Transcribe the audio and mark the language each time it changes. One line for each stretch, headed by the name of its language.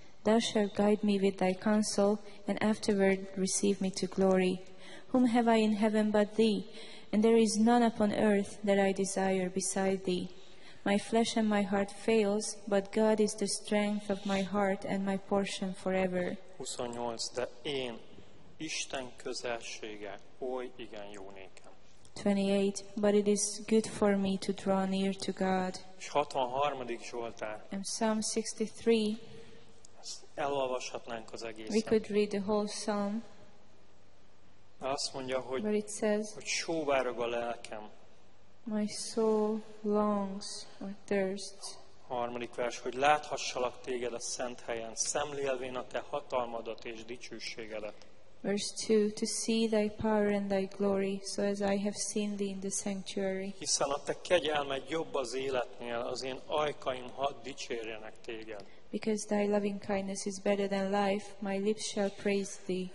English: Thou shalt guide me with thy counsel, and afterward receive me to glory. Whom have I in heaven but thee? And there is none upon earth that I desire beside thee. My flesh and my heart fails, but God is the strength of my heart and my portion forever. 28.
Hungarian: De én, Isten közelsége, oly igen jó nékem.
English: 28. But it is good for me to draw near to God.
Hungarian: És 63. Zsoltár.
English: And Psalm 63.
Hungarian: Elolvashatnánk az egészet.
English: We could read the whole psalm.
Hungarian: Azt mondja, hogy,
English: but it says,
Hungarian: hogy sóvárog a lelkem.
English: My soul longs or thirsts.
Hungarian: Harmadik vers, hogy láthassalak téged a szent helyen, szemlélvén a te hatalmadat és dicsőségedet.
English: Verse 2, to see thy power and thy glory, so as I have seen thee in the sanctuary.
Hungarian: Hiszen a te kegyelmed jobb az életnél, az én ajkaim hadd dicsérjenek téged.
English: Because thy loving kindness is better than life, my lips shall praise thee.